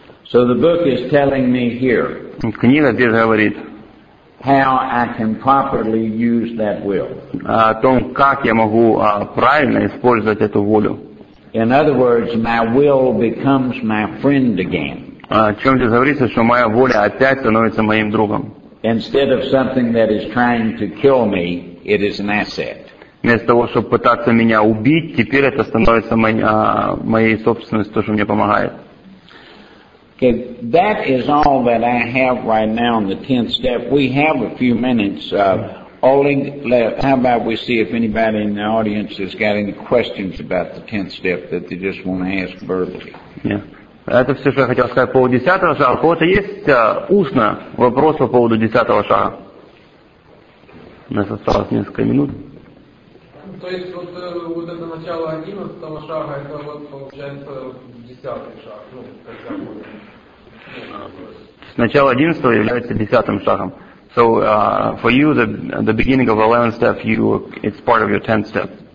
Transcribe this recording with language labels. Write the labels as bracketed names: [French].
[English] So the book is telling me here, [Russian] книга здесь говорит [English] how I can properly use that will. [Russian] О том, как я могу правильно использовать эту волю. [English] In other words, my will becomes my friend again. [Russian] О чем здесь говорится, что моя воля опять становится моим другом. [English] Instead of something that is trying to kill me, it is an asset. [Russian] Вместо того, чтобы пытаться меня убить, теперь это становится моей собственностью, то, что мне помогает. [English] Okay, that is all that I have right now on the 10th step. We have a few minutes. Oleg, how about we see if anybody in the audience has got any questions about the 10th step that they just want to ask verbally? Yeah. [Russian] Это все, что я хотел сказать по поводу десятого шага. У кого-то есть устно вопрос по поводу десятого шага? У нас осталось несколько минут. То есть вот это начало одиннадцатого шага, это вот получается десятый шаг, ну, как заходит. Начало одиннадцатого является десятым шагом. [English] So for you, the beginning of 11th step, it's part of your 10th step.